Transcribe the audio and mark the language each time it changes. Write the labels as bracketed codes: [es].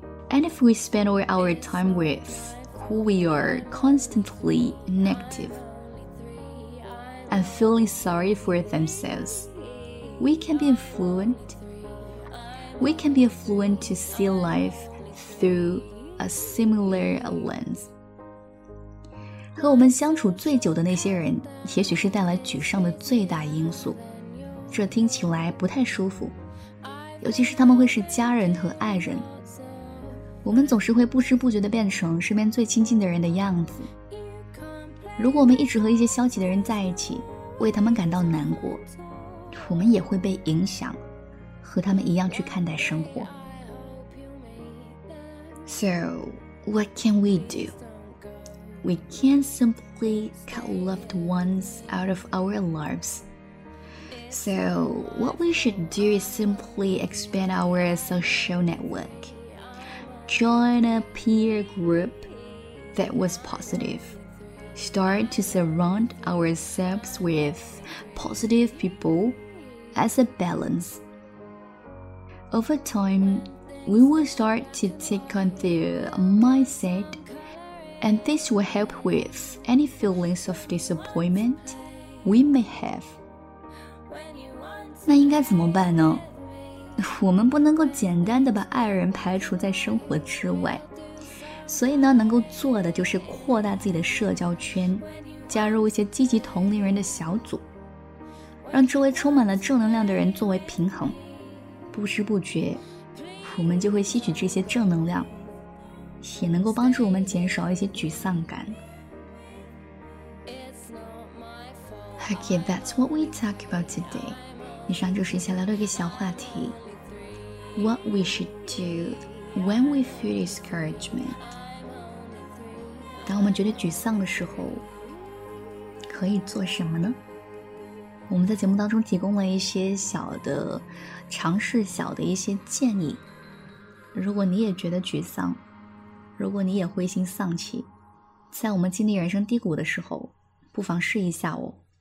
[en] And if we spend all our time with who we are constantly negative and feeling sorry for themselves, we can be influenced to see life throughA similar lens. [zh] 和我们相处最久的那些人，也许是带来沮丧的最大因素。这听起来不太舒服，尤其是他们会是家人和爱人。我们总是会不知不觉地变成身边最亲近的人的样子。如果我们一直和一些消极的人在一起，为他们感到难过，我们也会被影响，和他们一样去看待生活。 [en] So, what can we do? We can't simply cut loved ones out of our lives. So, what we should do is simply expand our social network. Join a peer group that was positive. Start to surround ourselves with positive people as a balance. Over time,We will start to take on the mindset, and this will help with any feelings of disappointment we may have. [zh] 那应该怎么办呢？我们不能够简单的把爱人排除在生活之外，所以呢，能够做的就是扩大自己的社交圈，加入一些积极同龄人的小组，让周围充满了正能量的人作为平衡，不知不觉我们就会吸取这些正能量，也能够帮助我们减少一些沮丧感。 [en] Okay, that's what we talk about today. [zh] 以上就是一下聊的一个小话题。 [en] What we should do when we feel discouragement. [zh] 当我们觉得沮丧的时候，可以做什么呢？我们在节目当中提供了一些小的尝试，小的一些建议。如果你也觉得沮丧，如果你也灰心丧气，在我们经历人生低谷的时候，不妨试一下哦。